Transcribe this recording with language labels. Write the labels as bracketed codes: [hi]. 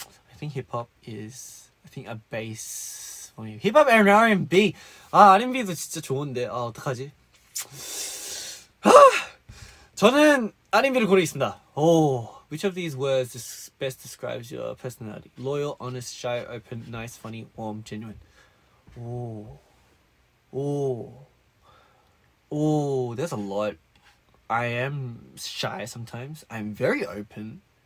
[en] I think hip hop is a base for me. Hip hop and R&B. [ko] R&B도 진짜 좋은데 어떡하지? 저는 R&B를 고르겠습니다. [en] Which of these words best describes your personality? Loyal, honest, shy, open, nice, funny, warm, genuine. 오, there's a lot. I am shy sometimes. I'm very open.